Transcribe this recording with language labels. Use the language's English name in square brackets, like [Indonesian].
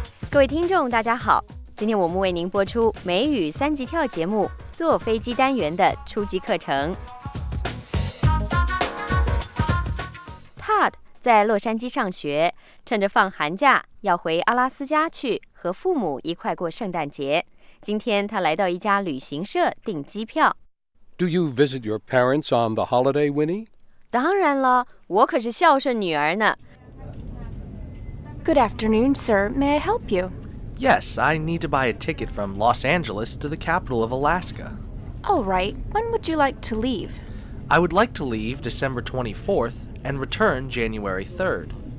[Chinese] 各位听众大家好，今天我们为您播出美语三级跳节目坐飞机单元的初级课程。在洛杉矶上学，趁着放寒假要回阿拉斯加去和父母一块过圣诞节。今天他来到一家旅行社订机票。 [English] Do you visit your parents on the holiday, Winnie? [Chinese] 当然了，我可是孝顺女儿呢。 [English] Good afternoon, sir. May I help you? Yes, I need to buy a ticket from Los Angeles to the capital of Alaska. All right. When would you like to leave? I would like to leave December 24th. And return January 3rd.